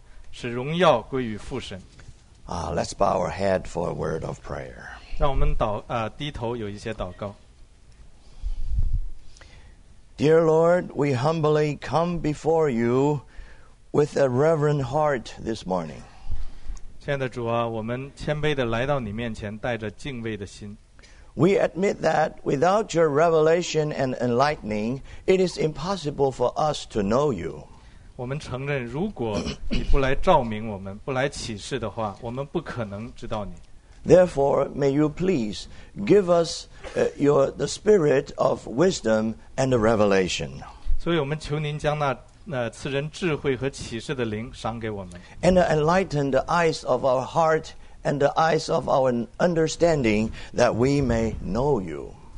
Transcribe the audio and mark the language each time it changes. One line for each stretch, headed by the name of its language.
Chinese: 所以神将他升为至高，又赐给他那超乎万名之上的名，叫一切在天上的、地上的和地底下的，因耶稣的名，无不屈膝，无不口称耶稣基督为主，使荣耀归于父神。
English: Let's bow our head for a word of prayer.
Chinese: 让我们低头有一些祷告。
English: Dear Lord, we humbly come before you with a reverent heart this morning.
Chinese: 亲爱的主啊，我们谦卑地来到你面前，带着敬畏的心。
English: We admit that without your revelation and enlightening, it is impossible for us to know you.
Chinese: 我们承认，如果你不来照明我们，不来启示的话，我们不可能知道你。
English: Therefore, may you please give us the spirit of wisdom and revelation.
Chinese: 所以我们求您将那 赐人智慧和启示的灵赏给我们，
English: and enlighten the eyes of our heart and the eyes of our understanding that we may know you.